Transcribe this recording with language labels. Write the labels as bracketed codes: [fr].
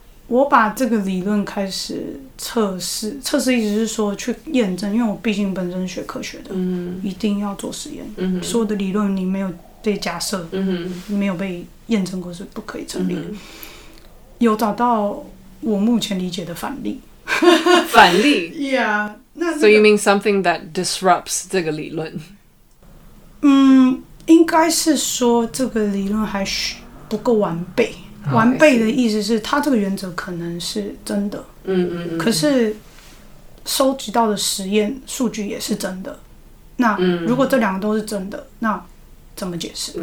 [zh] 我把这个理论开始测试，测试意思是说去验证，因为我毕竟本身学科学的，嗯，一定要做实验，嗯，所有的理论你没有被假设，嗯，没有被验证过是不可以成立的，嗯，有找到我目前理解的反例，反例，Yeah， 那這個， [en] So you mean something that disrupts [zh] 这个理论？嗯，应该是说这个理论还不够完备。完备的意思是它这个原则可能是真的，嗯嗯嗯，可是收集到的实验数据也是真的，那如果这两个都是真的，那怎么解释？